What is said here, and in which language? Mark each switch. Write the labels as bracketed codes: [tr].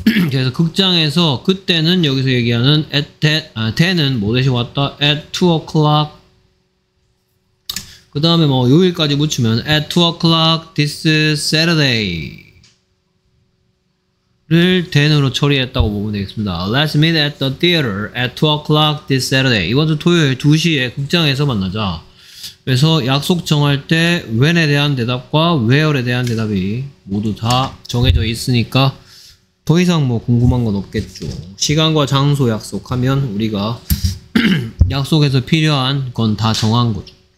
[ko] 그래서 극장에서 그때는 여기서 얘기하는 at that, 아, then은 뭐 대신 왔다 at 2 o'clock 그 다음에 뭐 요일까지 붙이면 [en] at 2 o'clock this Saturday [ko] 를 된으로 처리했다고 보면 되겠습니다. [en] Let's meet at the theater at 2 o'clock this Saturday. [ko] 이번 주 토요일 2시에 극장에서 만나자. 그래서 약속 정할 때 when에 대한 대답과 where에 대한 대답이 모두 다 정해져 있으니까 더 이상 뭐 궁금한 건 없겠죠. 시간과 장소 약속하면 우리가 약속에서 필요한 건 다 정한 거죠.